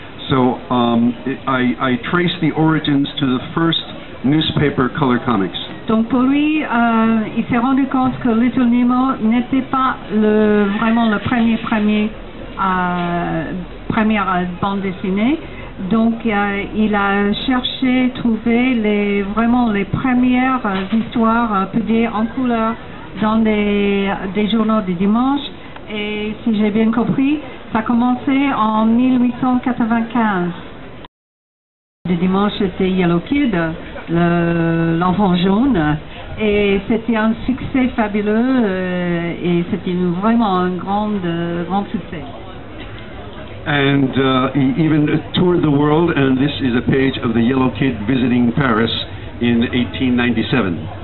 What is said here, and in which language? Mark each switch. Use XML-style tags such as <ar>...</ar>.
<en>So I trace the origins to the first newspaper color comics.</en> <fr>Donc pour lui, il s'est rendu compte que Little Nemo n'était pas le vraiment le première bande dessinée. Donc il a cherché, trouvé les premières histoires publiées en couleur dans des journaux du dimanche. Et si j'ai bien compris, ça a commencé en 1895. Le dimanche, c'était Yellow Kid, l'enfant jaune. Et c'était un succès fabuleux et c'était vraiment un grand succès.</fr> <en>And he even toured the world, and this is a page of the Yellow Kid visiting Paris in 1897.</en>